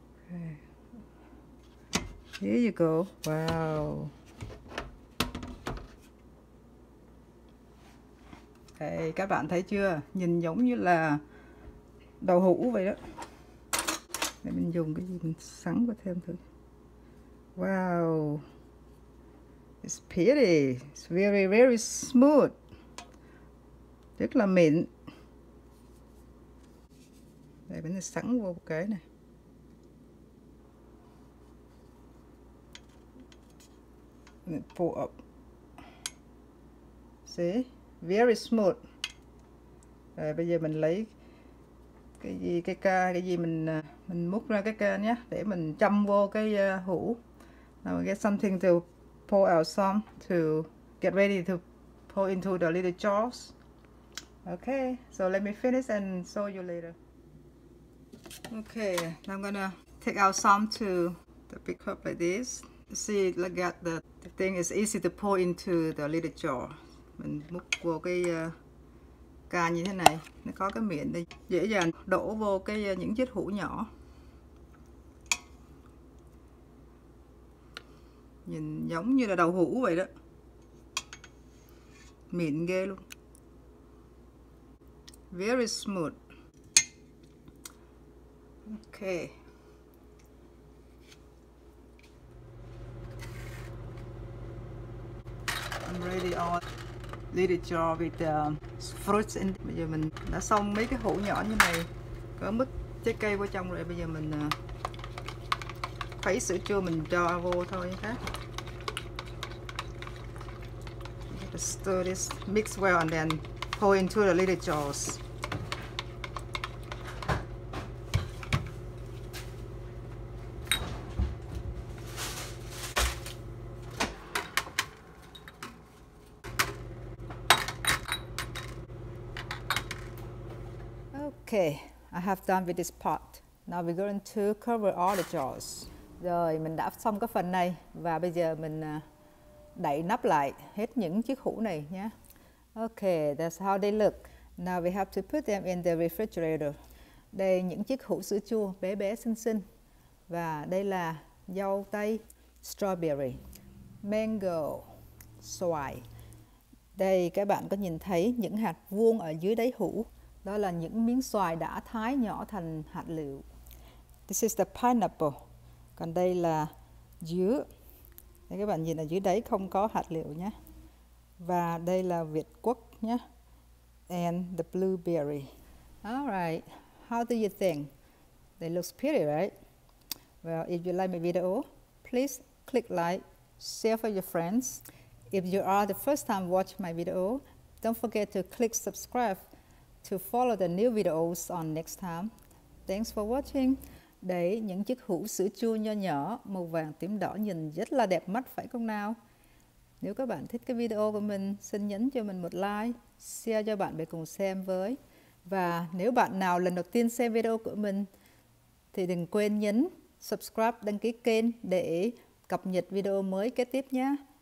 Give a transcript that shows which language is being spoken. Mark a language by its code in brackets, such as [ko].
[en] Okay. Here you go. Wow. [vi] Hey, các bạn thấy chưa? Nhìn giống như là đậu hũ vậy đó. Để mình dùng cái gì mình sắn vào thêm thử. [en] Wow. It's pretty. It's very, very smooth. [vi] Rất là mịn. Đây bánh này sẵn vô kế này. [en] Pull up. See, very smooth. [vi] Rồi bây giờ mình lấy cái gì mình múc ra cái ca nhé, để mình châm vô cái hũ. [en] Now get something to pour out some to get ready to pour into the little jars. Okay, so let me finish and show you later. Okay, I'm gonna take out some to the big cup like this. See, look at the thing is easy to pour into the little jar. [vi] Mình múc vô cái ca như thế này, nó có cái miệng đây, dễ dàng đổ vô cái những chiếc hũ nhỏ. Nhìn giống như là đậu hũ vậy đó. Mịn ghê luôn. [en] Very smooth. Okay. I'm ready all little jar with the fruits in. [vi] Bây giờ mình đã xong mấy cái hũ nhỏ như này, có mứt trái cây vào trong rồi. Bây giờ mình khuấy sữa chua mình cho vô thôi nhé. [en] Stir this, mix well, and then pour into the little jars. Okay, I have done with this part. Now we're going to cover all the jars. [vi] Rồi mình đã xong cái phần này và bây giờ mình đậy nắp lại hết những chiếc hũ này nhé. Okay, that's how they look. Now we have to put them in the refrigerator. Đây những chiếc hũ sữa chua bé bé xinh xinh. Và đây là dâu tây, strawberry, mango, xoài. Đây các bạn có nhìn thấy những hạt vuông ở dưới đáy hũ. Đó là những miếng xoài đã thái nhỏ thành hạt lựu. [en] This is the pineapple. [vi] Còn đây là dứa. Đây các bạn nhìn ở dưới đấy không có hạt lựu nhé. Và đây là việt quất nhé. [en] And the blueberry. Alright, how do you think? They look pretty, right? Well, if you like my video, please click like, share for your friends. If you are the first time watch my video, don't forget to click subscribe to follow the new videos on next time. Thanks for watching. [vi] Đấy, những chiếc hũ sữa chua nho nhỏ, màu vàng tím đỏ nhìn rất là đẹp mắt phải không nào? Nếu các bạn thích cái video của mình, xin nhấn cho mình một like, share cho bạn bè cùng xem với. Và nếu bạn nào lần đầu tiên xem video của mình, thì đừng quên nhấn subscribe, đăng ký kênh để cập nhật video mới kế tiếp nhé.